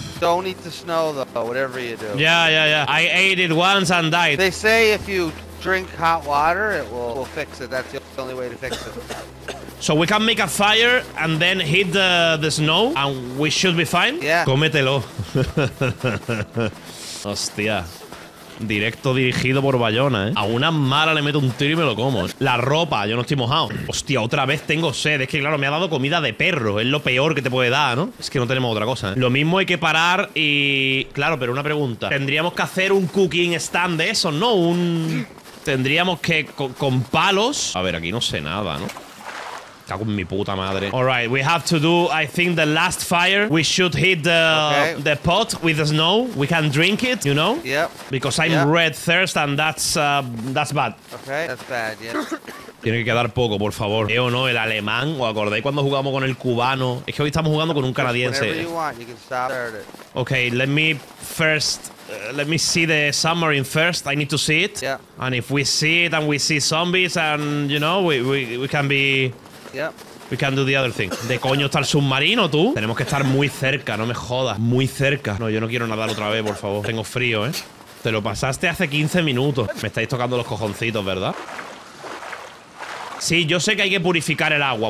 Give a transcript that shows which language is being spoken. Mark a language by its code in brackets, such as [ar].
[en] Don't eat the snow, though, whatever you do. Yeah. I ate it once and died. They say if you drink hot water, it will fix it. That's the only way to fix it. So we can make a fire and then hit the snow and we should be fine. Yeah. [es] Cómetelo. Hostia. Directo dirigido por Bayona, ¿eh? A una mala le meto un tiro y me lo como. La ropa, yo no estoy mojado. Hostia, otra vez tengo sed. Es que, claro, me ha dado comida de perro. Es lo peor que te puede dar, ¿no? Es que no tenemos otra cosa, ¿eh? Lo mismo hay que parar y... Claro, pero una pregunta. ¿Tendríamos que hacer un cooking stand de eso, no? Un... Tendríamos que... Con palos... A ver, aquí no sé nada, ¿no? Cago en mi puta madre. [en] All right, we have to do, I think, the last fire. We should hit the pot with the snow. We can drink it, you know? Yep. Because I'm red thirst and that's bad. Okay, that's bad, yeah. [es] Tiene que quedar poco, por favor. ¿Eh o no? El alemán. ¿O acordáis cuando jugamos con el cubano? Es que hoy estamos jugando con un canadiense. [en] Whatever you want, you can start it. Okay, let me first... let me see the submarine first. I need to see it. Yeah. And if we see it and we see zombies and, you know, we can be... Yep. We can do the other thing. [es] ¿De coño está el submarino, tú? Tenemos que estar muy cerca, no me jodas. Muy cerca. No, yo no quiero nadar otra vez, por favor. Tengo frío, ¿eh? Te lo pasaste hace 15 minutos. Me estáis tocando los cojoncitos, ¿verdad? Sí, yo sé que hay que purificar el agua.